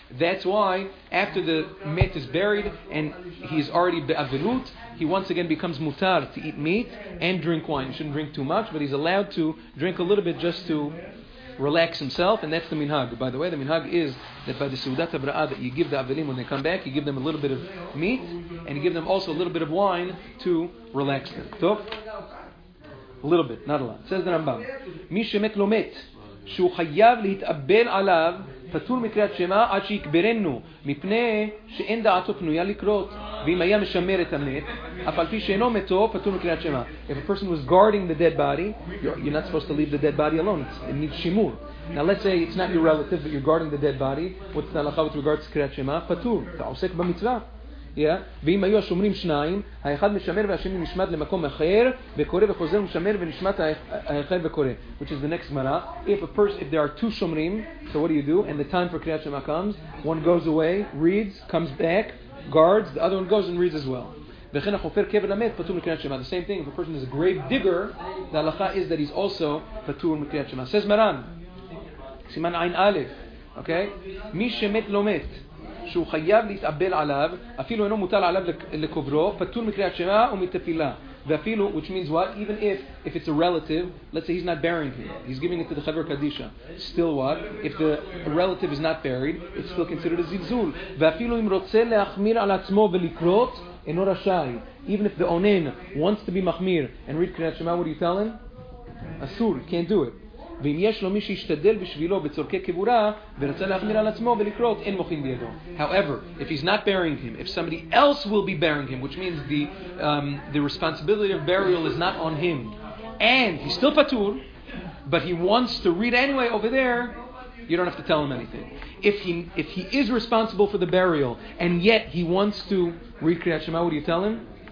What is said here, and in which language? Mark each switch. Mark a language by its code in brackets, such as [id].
[en] That's why after the met is buried and he's already be'avilut, he once again becomes mutar to eat meat and drink wine. He shouldn't drink too much, but he's allowed to drink a little bit just to relax himself, and that's the minhag. By the way, the minhag is that by the seudat habra'ah that you give the avelim when they come back, you give them a little bit of meat, and you give them also a little bit of wine to relax them. Top? A little bit, not a lot. Says the Rambam, [he] מי שמת לא מת, שהוא חייב להתאבל עליו, פטור מקריאת שמע עד שיקברנו, מפני שאין דעתו פנויה לקרות. ואם היה משמר את המת, אף על פי שאינו מתו, פטור מקריאת שמע. [en] If a person was guarding the dead body, you're not supposed to leave the dead body alone. It needs שימור. Now let's say it's not your relative, but you're guarding the dead body. What's the הלכה with regards to קריאת שמע? [he] פטור. אתה עוסק במצווה. [en] Yeah. [he] ואם היו השומרים שניים, האחד משמר והשני נשמד למקום אחר, וקורא וחוזר ומשמר ונשמד האחר וקורא. [en] Which is the next Gemara. If there are two שומרים, so what do? And the time for קריאת שמע comes, one goes away, reads, comes back, guards, the other one goes and reads as well. [he] וכן החופר קבר למת פטור מקריאת שמע. [en] The same thing, if a person is a grave digger, the halacha is that he's also פטור מקריאת שמע. Says מרן, סימן עין א', okay? [he] מי שמת לא מת, שהוא חייב להתאבל עליו, אפילו אינו מוטל עליו לקוברו, פטור מקריאת שמע ומתפילה. [en] ואפילו, which means what? Even if it's a relative, let's say he's not burying him, he's giving it to the Chavar Kadisha. Still what? If the relative is not buried, it's still considered a zilzul. [he] ואפילו אם רוצה להחמיר על עצמו ולקרות, אינו רשאי. [en] Even if the onen wants to be מחמיר and read קריאת שמע, what do you tell him? אסור, can't do it. [he] ואם יש לו מי שישתדל בשבילו בצורכי קבורה ורצה להחמיר על עצמו ולקרות, אין מוכין בידו. [en] However, if he's not burying him, if somebody else will be burying him, which means the responsibility of burial is not on him, and he's still patur, but he wants to read anyway over there, you don't have to tell him anything. If he is responsible for the burial and yet he wants to read Kriyat Shema, what do you tell him?